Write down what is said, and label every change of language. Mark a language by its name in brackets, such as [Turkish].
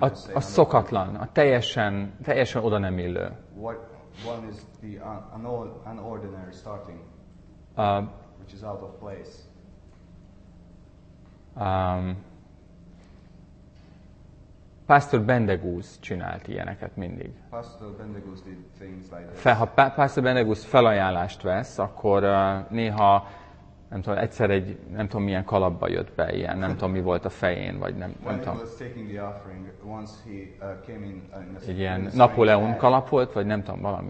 [Hungarian] A szokatlan, a teljesen oda nem illő. [English] One is the unordinary starting, which is out of place. [Hungarian] Pastor Bendegúz csinált ilyeneket mindig. [English] Pastor Bendegúz did things like this. [Hungarian] Ha Pastor Bendegúz felajánlást vesz, akkor néha, nem tudom, egyszer egy, nem tudom milyen kalapba jött be, ilyen, nem tudom mi volt a fején, vagy nem tudom. [English] When he was taking the offering, once he came in a [Hungarian] egy ilyen Napóleon kalap volt, vagy nem tudom, valami.